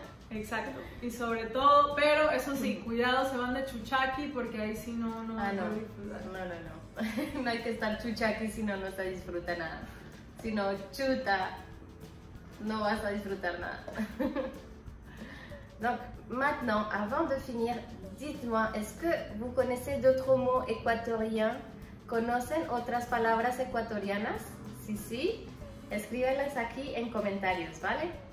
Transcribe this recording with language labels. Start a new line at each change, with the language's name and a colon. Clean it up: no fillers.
Spanish: Exacto, y sobre todo, pero eso sí, cuidado, se van de chuchaqui porque ahí sí no hay que disfrutar. No hay que estar chuchaqui si no se disfruta nada. Si no, chuta, no vas a disfrutar nada.
French: Donc, maintenant, avant de finir, dites-moi, est-ce que vous connaissez d'autres mots équatoriens?
Spanish: ¿Conocen otras palabras ecuatorianas? Si sí, escríbelas aquí en comentarios, ¿vale?